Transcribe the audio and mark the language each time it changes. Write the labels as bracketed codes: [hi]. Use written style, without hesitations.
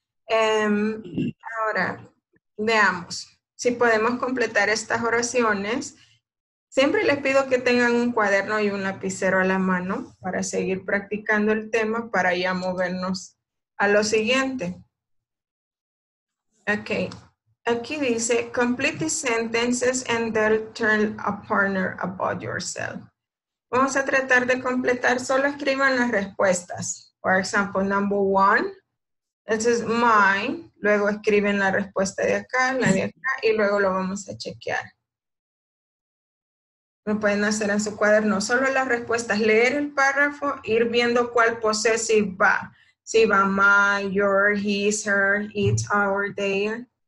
[es] Ahora, veamos si podemos completar estas oraciones. Siempre les pido que tengan un cuaderno y un lapicero a la mano para seguir practicando el tema para ya movernos a lo siguiente. [en] Ok, [es] aquí dice, [en] complete the sentences and then tell a partner about yourself. [es] Vamos a tratar de completar, solo escriban las respuestas. [en] For example, number one, this is mine. [es] Luego escriben la respuesta de acá y luego lo vamos a chequear. Lo pueden hacer en su cuaderno. Solo las respuestas, leer el párrafo, ir viendo cuál possessive va. Si va my, your, his, her, it's, our, their.